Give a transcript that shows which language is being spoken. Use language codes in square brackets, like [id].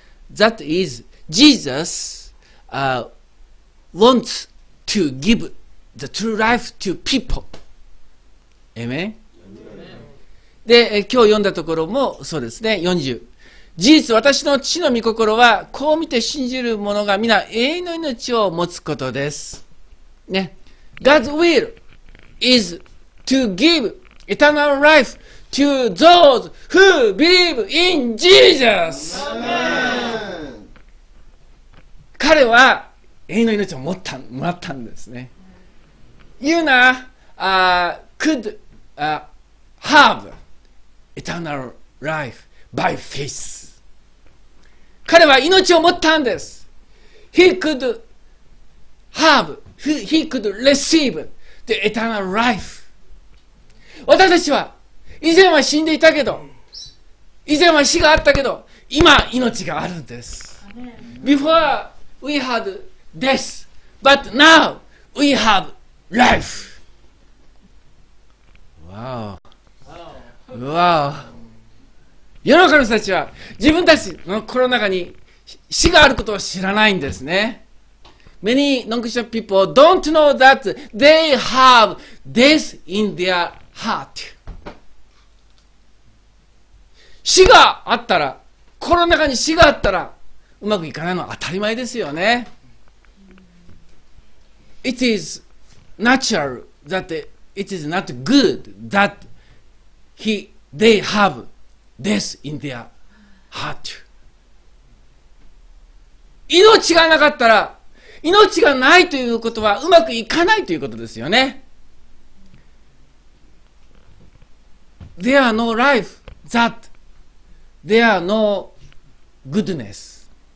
[en] That is, Jesus wants to give the true life to people. Amen? [ja] で、今日読んだところもそうですね、40。事実、私の父の御心は、こう見て信じる者が皆永遠の命を持つことです。ね。 [en] God's will is to give eternal life to those who believe in Jesus. [ja] 彼は永遠の命をもらったんですね。 [en] Yuna could have eternal life by faith. [ja] 彼は命を持ったんです。 [en] He could receive the eternal life。 [ja] 私たちは以前は死んでいたけど、以前は死があったけど、今命があるんです。 [en] Before we had death, but now we have life。 [ja] Wow. 世の中の人たちは自分たちの心の中に死があることを知らないんですね。 [en] Many non-Christian people don't know that they have death in their heart. [ja] 死があったら、心の中に死があったらうまくいかないのは当たり前ですよね。 [en] It is natural that it is not good that they have death in their heart. [ja] 命がなかったら、命がないということはうまくいかないということですよね。 [en] There are no life that there are no goodness。